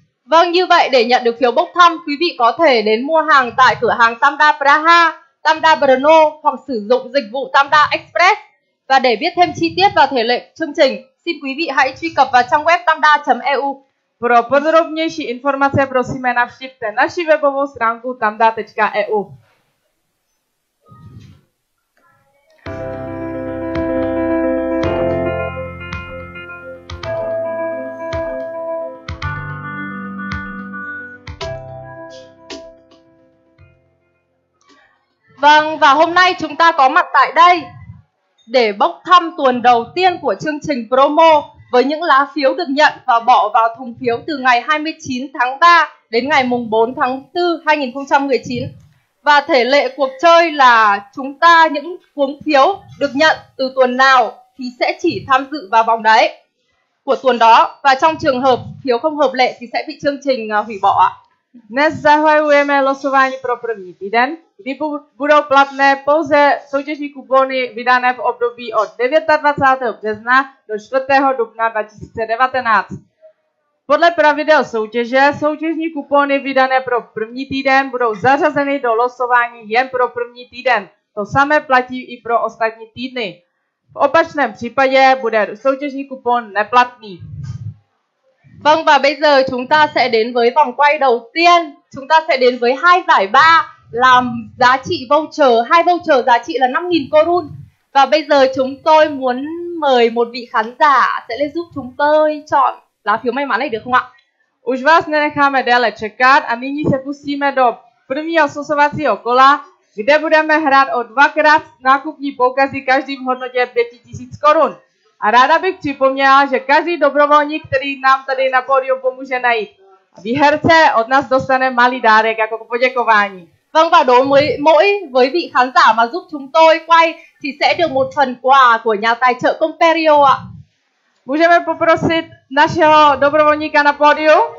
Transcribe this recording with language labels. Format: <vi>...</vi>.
<vi>Vâng, như vậy để nhận được phiếu bốc thăm, quý vị có thể đến mua hàng tại cửa hàng Tamda Praha, Tamda Brno hoặc sử dụng dịch vụ Tamda Express. Và để biết thêm chi tiết và thể lệ chương trình, xin quý vị hãy truy cập vào trang web tamda.eu.</vi> <cs>Pro podrobnější informace prosíme navštivte naši webovou stránku tamda.eu.</cs> <vi>Vâng, và hôm nay chúng ta có mặt tại đây để bốc thăm tuần đầu tiên của chương trình promo với những lá phiếu được nhận và bỏ vào thùng phiếu từ ngày 29 tháng 3 đến ngày 4 tháng 4 2019. Và thể lệ cuộc chơi là chúng ta những cuốn phiếu được nhận từ tuần nào thì sẽ chỉ tham dự vào vòng đấy của tuần đó và trong trường hợp phiếu không hợp lệ thì sẽ bị chương trình hủy bỏ ạ.</vi> <cs>Dnes zahajujeme losování pro první týden, kdy budou platné pouze soutěžní kupony vydané v období od 29. března do 4. dubna 2019. Podle pravidel soutěže soutěžní kupony vydané pro první týden budou zařazeny do losování jen pro první týden. To samé platí i pro ostatní týdny. V opačném případě bude soutěžní kupon neplatný.</cs> <vi>Vâng, và bây giờ chúng ta sẽ đến với vòng quay đầu tiên. Chúng ta sẽ đến với hai giải ba làm giá trị voucher, hai voucher giá trị là 5.000 korun. Và bây giờ chúng tôi muốn mời một vị khán giả sẽ lên giúp chúng tôi chọn lá phiếu may mắn này được không ạ?</vi> <cs>Už vás nenecháme déle čekat a nyní se pustíme do prvního sosovacího kola, kde budeme hrát o dvakrát nákupní poukazy každý v hodnotě 5.000 korun. A ráda bych připomněla, že každý dobrovolník, který nám tady na pódiu pomůže najít výherce, od nás dostane malý dárek jako poděkování.</cs> <vi>Vâng, và đối với mỗi với vị khán giả mà giúp chúng tôi quay thì sẽ được một phần quà của nhà tài trợ Comperio ạ.</vi> <cs>Můžeme poprosit našeho dobrovolníka na pódiu?</cs>